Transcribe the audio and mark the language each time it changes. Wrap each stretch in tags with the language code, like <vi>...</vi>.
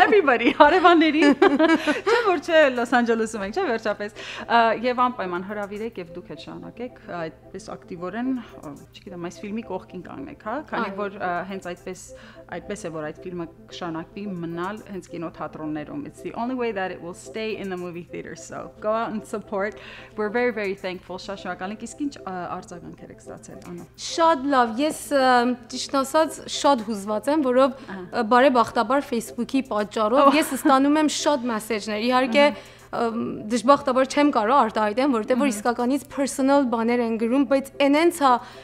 <hy>everybody, հարևաններին, չէ՞ որ չէ, Լոս Անջելեսում ենք, չէ՞, վերջապես։ Եւ անպայման հրավիրեք եւ դուք շանակեք այդպես ակտիվորեն, չգիտեմ, այս ֆիլմի կողքին կանգնեք, հա, քանի որ հենց այդպես է, որ այդ ֆիլմը կշանակվի մնալ հենց կինոթատրոններում.</hy> <en>It's the only way that it will stay in the movie theater, so go out and support. We're very very thankful.</en> <hy>Շաշակալինք, իսկ ինչ արձագանքեր եք ստացել, Անո? Շատ լավ, ես ճիշտ ասած շատ հուզված եմ, որով բարեբախտաբար Facebook-ի պատճառով ես ստանում եմ շատ մեսեջներ, իհարկե դժբախտաբար չեմ կարող արտահայտեմ, որտեղ որ իսկականից personal բաներ են գրում, բայց այնենց է</hy>